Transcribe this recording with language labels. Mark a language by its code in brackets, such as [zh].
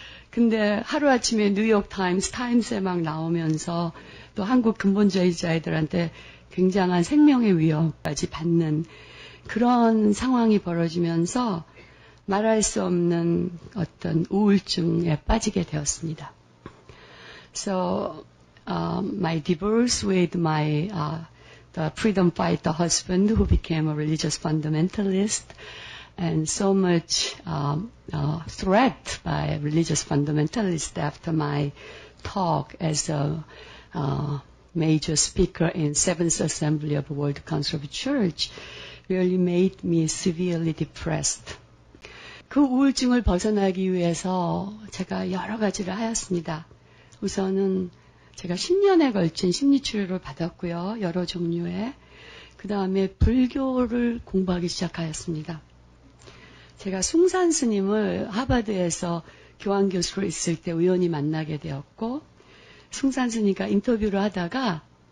[ko] 근데 하루아침에 뉴욕 타임스, 타임스에 막 나오면서 또 한국 근본주의자들한테 굉장한 생명의 위협까지 받는 그런 상황이 벌어지면서 말할 수 없는 어떤 우울증에 빠지게 되었습니다. [en] So, my divorce with my the freedom fighter husband who became a religious fundamentalist and so much threat by religious fundamentalists after my talk as a major speaker in 7th Assembly of World Council of Church really made me severely depressed. [ko] 그 우울증을 벗어나기 위해서 제가 여러 가지를 하였습니다. 우선은 제가 10년에 걸친 심리치료를 받았고요. 여러 종류의. 그 다음에 불교를 공부하기 시작하였습니다. 제가 숭산 스님을 하버드에서 교환교수로 있을 때 우연히 만나게 되었고 숭산 스님과 인터뷰를 하다가